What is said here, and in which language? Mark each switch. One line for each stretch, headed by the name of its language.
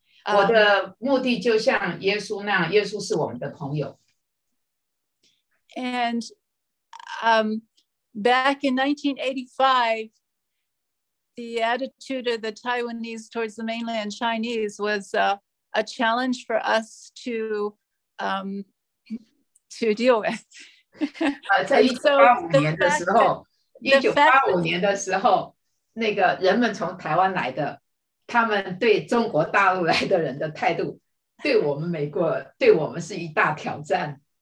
Chinese: 我的目的就像耶稣那样，耶稣是我们的朋友。
English: And back in 1985, the attitude of the Taiwanese towards the mainland Chinese was a challenge for us to deal with.
Chinese: 在1985年的时候，1985年的时候，那个人们从台湾来的，他们对中国大陆来的人的态度，对我们美国，对我们是一大挑战。